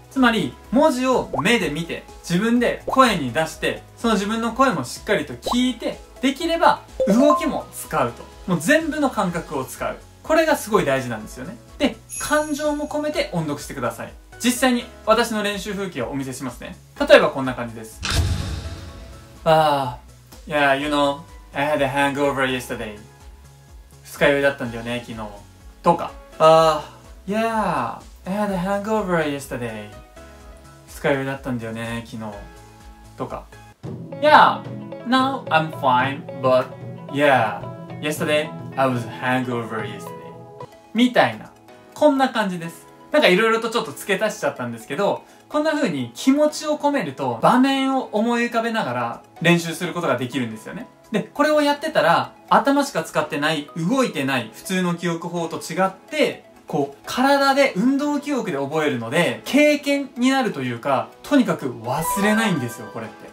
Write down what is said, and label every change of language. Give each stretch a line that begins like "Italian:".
Japanese: つまり文字を目で見て自分で声に出して、その自分の声もしっかりと聞いて、できれば動きも使うと、もう全部の感覚を使う、これがすごい大事なんですよね。で、感情も込めて音読してください。実際に私の練習風景をお見せしますね。例えばこんな感じです。
English: Yeah, you know, I had a hangover yesterday.
Japanese: 二日酔いだったんだよね、昨日。とか。
English: Yeah, I had a hangover yesterday.
Japanese: 二日酔いだったんだよね、昨日。とか。
English: Yeah, now I'm fine, but yeah, yesterday I was hangover yesterday.
Japanese: みたいな。こんな感じです。なんかいろいろとちょっと付け足しちゃったんですけど、こんな風に気持ちを込めると場面を思い浮かべながら練習することができるんですよね。で、これをやってたら頭しか使ってない、動いてない普通の記憶法と違って、こう体で運動記憶で覚えるので経験になるというか、とにかく忘れないんですよ、これって。